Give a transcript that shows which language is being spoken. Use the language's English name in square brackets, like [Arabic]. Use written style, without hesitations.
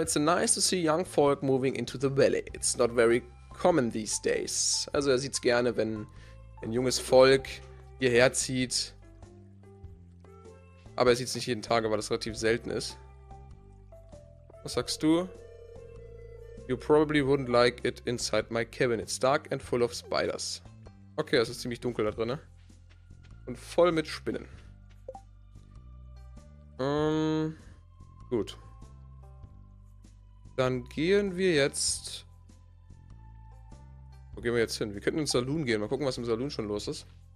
[English] It's nice to see young folk moving into the valley. It's not very common these days. [German] Also er sieht es gerne, wenn ein junges Volk hierher zieht. Aber er sieht es nicht jeden Tag, weil das relativ selten ist. Was sagst du? [English] You probably wouldn't like it inside my cabin. It's dark and full of spiders. [German] Okay, es ist ziemlich dunkel da drin, ne? Und voll mit Spinnen. Gut. Dann gehen wir jetzt. Wo gehen wir jetzt hin? Wir könnten ins Saloon gehen. Mal gucken, was im Saloon schon los ist.